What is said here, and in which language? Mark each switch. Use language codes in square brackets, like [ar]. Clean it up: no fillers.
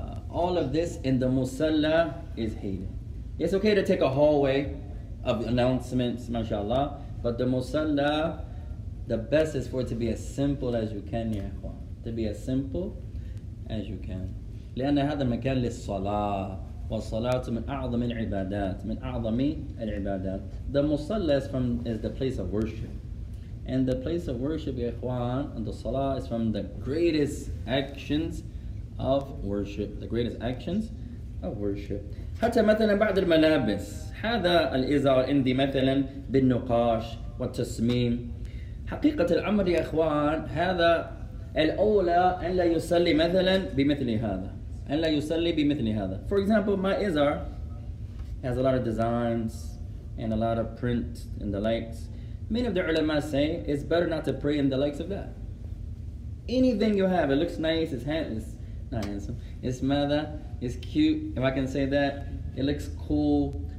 [en] All of this in the musalla is hated. It's okay to take a hallway of announcements, mashallah, but the musalla, the best is for it to be as simple as you can, ya ikhwan. To be as simple as you can. [ar] لأن هذا مكان للصلاة. والصلاة من أعظم العبادات من أعظم العبادات. [en] The musalla is the place of worship, And the place of worship, ya ikhwan, and the salah is from the greatest actions of worship. The greatest actions of worship. [ar] حتى مثلا بعد الملابس هذا الإزار عندي مثلا بالنقاش والتصميم حقيقة الأمر يا إخوان هذا الأولى أن لا يصلي مثلا بمثل هذا أن لا يصلي بمثل هذا. [en] For example, my Izar has a lot of designs and a lot of print and the likes. Many of the ulama say it's better not to pray in the likes of that. Anything you have, it looks nice, it's handsome. Not handsome. It's mother, it's cute, if I can say that. It looks cool.